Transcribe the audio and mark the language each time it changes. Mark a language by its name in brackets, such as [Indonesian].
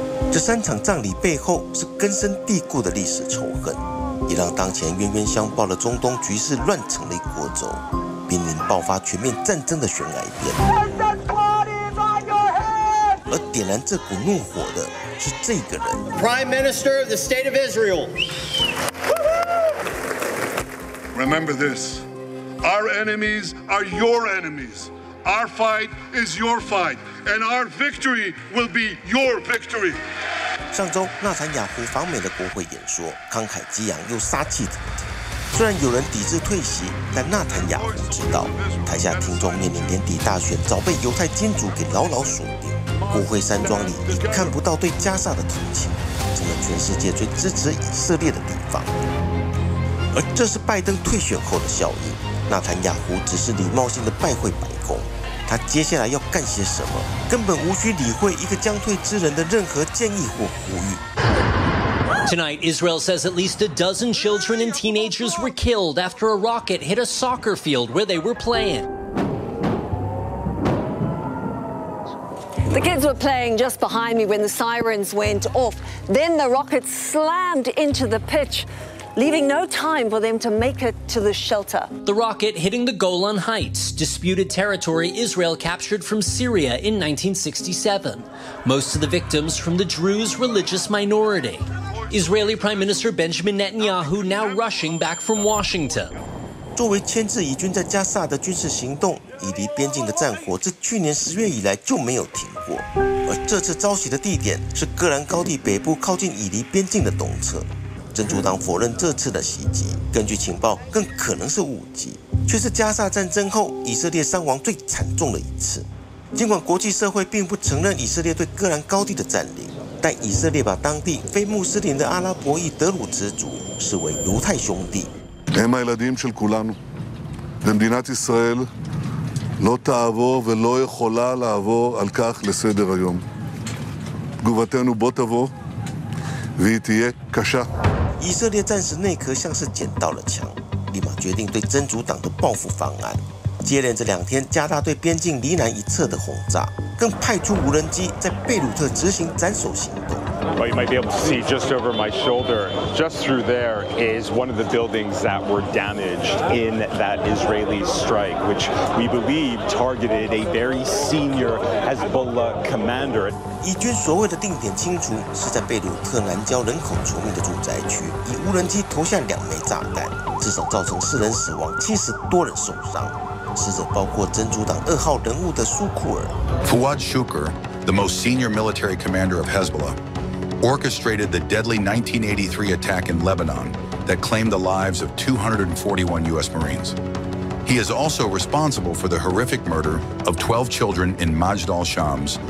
[Chinese] 这三场葬礼背后是根深蒂固的历史仇恨，也让当前冤冤相报的中东局势乱成了一锅粥，濒临爆发全面战争的悬崖边。而点燃这股怒火的是这个人 [English] ，Prime Minister of the State of Israel. Remember this: our enemies are your enemies, our fight is your fight, and our victory will be your victory. [Chinese] 上周纳坦雅胡访美的国会演说，慷慨激昂又杀气腾腾。虽然有人抵制退席，但纳坦雅胡知道，台下听众面临年底大选，早被犹太金主给牢牢锁定。国会山庄里已看不到对加萨的同情，成了全世界最支持以色列的地方。而这是拜登退选后的效应。纳坦雅胡只是礼貌性的拜会白宫，他接下来要干些什么，根本无需理会一个将退之人的任何建议或呼吁。 [English] Tonight, Israel says at least a dozen children and teenagers were killed after a rocket hit a soccer field where they were playing. The kids were playing just behind me when the sirens went off. Then the rocket slammed into the pitch, leaving no time for them to make it to the shelter. The rocket hitting the Golan Heights, disputed territory Israel captured from Syria in 1967. Most of the victims from the Druze religious minority. Israeli Prime Minister Benjamin Netanyahu now rushing back from Washington. [Chinese] 作为牵制以军在加萨的军事行动，以黎边境的战火自去年十月以来就没有停过。而这次遭袭的地点是戈兰高地北部靠近以黎边境的东侧。真主党否认这次的袭击，根据情报更可能是误击，却是加萨战争后以色列伤亡最惨重的一次。尽管国际社会并不承认以色列对戈兰高地的占领，但以色列把当地非穆斯林的阿拉伯裔德鲁兹族视为犹太兄弟。 [Hebrew] הם הילדים של כולנו. במדינת ישראל לא תעבור ולא יכולה לעבור על כך לסדר היום. תגובתנו בוא תבוא והיא תהיה קשה. [Chinese] 以色列暂时内阁像是捡到了枪，立马决定对真主党的报复方案。接连这两天加大对边境黎南一侧的轰炸，更派出无人机在贝鲁特执行斩首行动。 [English] Well, you might be able to see just over my shoulder, just through there is one of the buildings that were damaged in that Israeli strike, which we believe targeted a very senior Hezbollah commander. [Chinese] 以军所谓的定点清除是在贝鲁特南郊人口稠密的住宅区，以无人机投下两枚炸弹，至少造成四人死亡，七十多人受伤。死者包括真主党二号人物的苏库尔。 [English] Fuad Shukr, the most senior military commander of Hezbollah. Orchestrated the deadly 1983 attack in Lebanon that claimed the lives of 241 U.S. Marines. He is also responsible for the horrific murder of 12 children in Majd al-Shams.